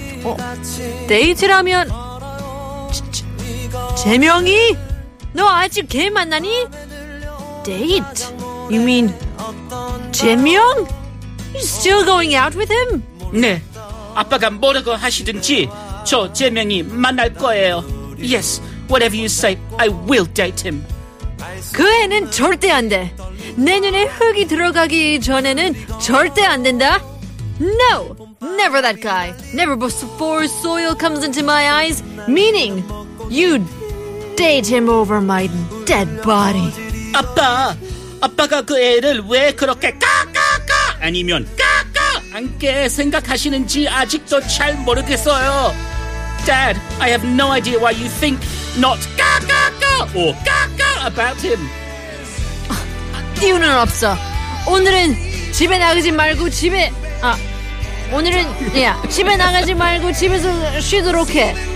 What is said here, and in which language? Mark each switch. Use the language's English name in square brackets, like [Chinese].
[Korean] Oh, 데이트라면... 재명이? 너 아직 걔 만나니? [English] Date? You mean... [Korean] 재명? [English] You still going out with him? [Korean] 네, 아빠가 뭐라고 하시든지... 저 재명이 만날 거예요. [English] Yes, whatever you say, I will date him. [Korean] 그 애는 절대 안 돼. 내 눈에 흙이 들어가기 전에는 절대 안 된다. [English] No, never that guy. Never before soil comes into my eyes. Meaning, you'd date him over my dead body. [Korean] 아빠, 아빠가 그 애를 왜 그렇게 까까까 아니면 까까 안게 생각하시는지 아직도 잘 모르겠어요. [English] Dad, I have no idea why you think not ga ga ga or ga ga about him. [Korean] 이유는 없어. 오늘은 집에 나가지 말고 집에 오늘은 yeah 집에 나가지 말고 집에서 쉬도록 해.